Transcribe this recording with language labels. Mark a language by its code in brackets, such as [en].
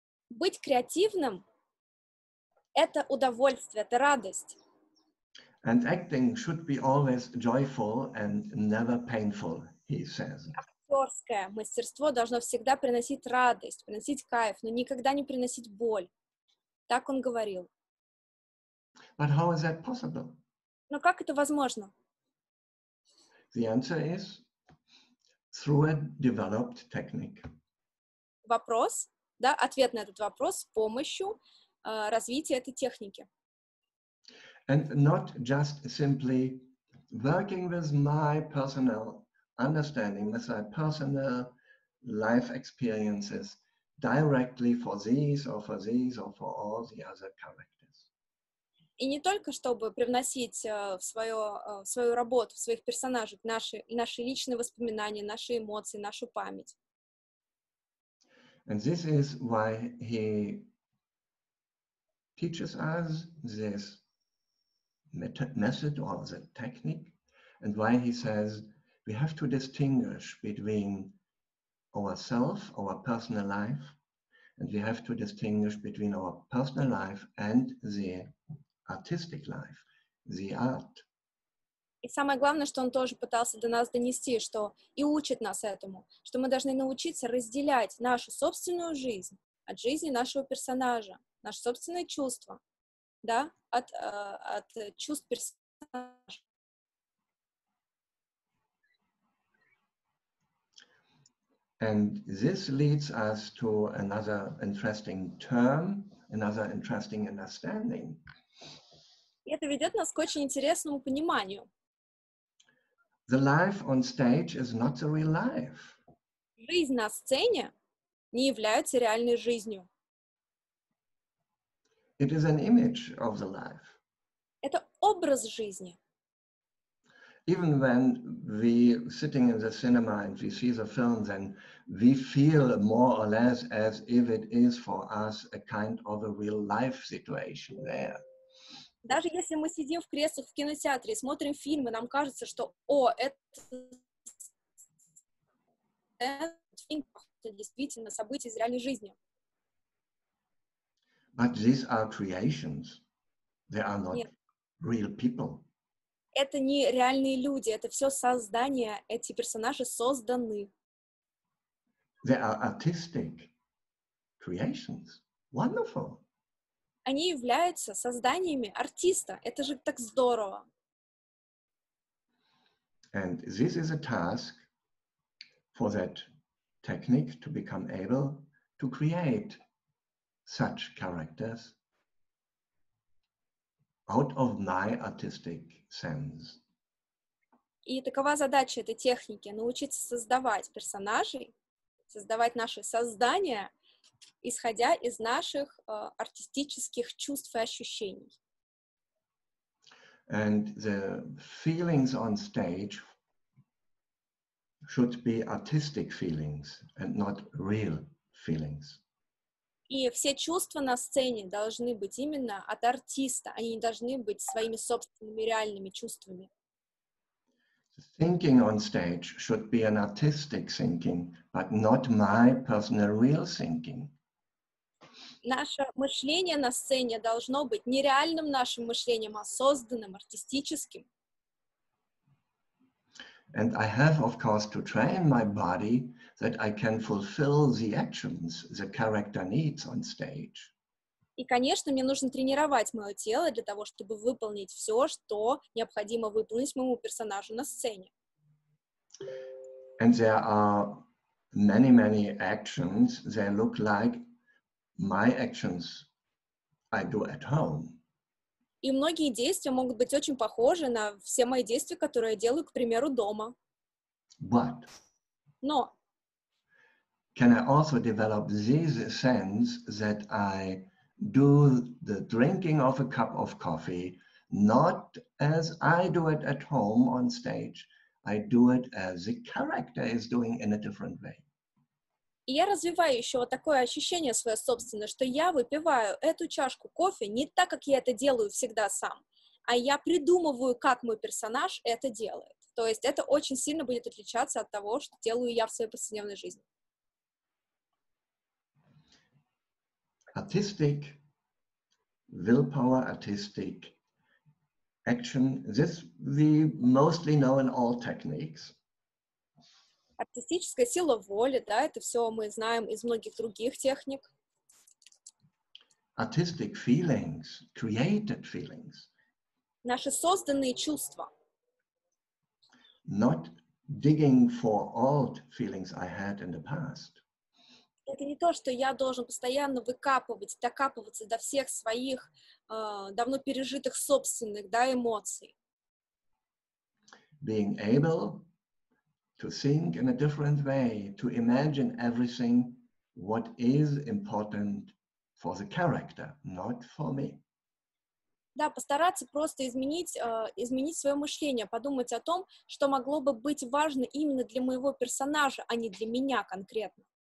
[ru] Быть креативным — это удовольствие, это радость. [en] And acting should be always joyful and never painful, he says. [ru] Актерское мастерство должно всегда приносить радость, приносить кайф, но никогда не приносить боль. Так он говорил. [en] But how is that possible? [ru] Но как это возможно? [en] The answer is through a developed technique. [ru] Вопрос, да, ответ на этот вопрос с помощью развития этой техники. [en] And not just simply working with my personal understanding, with my personal life experiences directly for these or for these or for all the other characters. [ru] И не только чтобы привносить в свою работу, в своих персонажей наши личные воспоминания, наши эмоции, нашу память. [en] And this is why he teaches us this method or the technique, and why he says we have to distinguish between ourselves, our personal life, and we have to distinguish between our personal life and the artistic life, the art. [ru] И самое главное, что он тоже пытался до нас донести, что и учит нас этому, что мы должны научиться разделять нашу собственную жизнь от жизни нашего персонажа, наши собственные чувства, да, от чувств персонажа. [en] And this leads us to another interesting term, another interesting understanding. [ru] И это ведет нас к очень интересному пониманию. [en] The life on stage is not the real life. [ru] Жизнь на сцене не является реальной жизнью. [en] It is an image of the life. [ru] Это образ жизни. [en] Even when we sitting in the cinema and we see the film, then we feel more or less as if it is for us a kind of a real life situation there. [ru] Даже если мы сидим в креслах в кинотеатре и смотрим фильмы, нам кажется, что о, этот фильм это действительно событие из реальной жизни. [en] But these are creations. They are not real people. [ru] Это не реальные люди, это все создания, эти персонажи созданы. [en] They are artistic creations. Wonderful. [ru] Они являются созданиями артиста. Это же так здорово. [en] And this is a task for that technique to become able to create such characters out of my artistic sense. [ru] И такова задача этой техники — научиться создавать персонажей, создавать наши создания, исходя из наших артистических чувств и ощущений. [en] And the feelings on stage should be artistic feelings and not real feelings. [ru] И все чувства на сцене должны быть именно от артиста, они не должны быть своими собственными реальными чувствами. [en] Thinking on stage should be an artistic thinking, but not my personal real thinking. [ru] Наше мышление на сцене должно быть не реальным нашим мышлением, а созданным, артистическим. [en] And I have, of course, to train my body that I can fulfill the actions the character needs on stage. [ru] И, конечно, мне нужно тренировать мое тело для того, чтобы выполнить все, что необходимо выполнить моему персонажу на сцене. [en] And there are many, many actions that look like my actions I do at home. [ru] И многие действия могут быть очень похожи на все мои действия, которые я делаю, к примеру, дома. [en] But. [ru] Но. [en] Can I also develop this sense that I do the drinking of a cup of coffee not as I do it at home on stage, I do it as the character is doing in a different way. [ru] И я развиваю еще вот такое ощущение свое собственное, что я выпиваю эту чашку кофе не так, как я это делаю всегда сам, а я придумываю, как мой персонаж это делает. То есть это очень сильно будет отличаться от того, что делаю я в своей повседневной жизни. [en] Artistic, willpower, artistic action. This we mostly know in all techniques. [ru] Артистическая сила воли, да, это все мы знаем из многих других техник. [en] Artistic feelings, created feelings. [ru] Наши созданные чувства. [en] Not digging for old feelings I had in the past. [ru] Это не то, что я должен постоянно выкапывать, докапываться до всех своих давно пережитых собственных, да, эмоций. [en] Being able to think in a different way, to imagine everything, what is important for the character, not for me. [ru] Да, постараться просто изменить свое мышление, подумать о том, что могло бы быть важно именно для моего персонажа, а не для меня конкретно.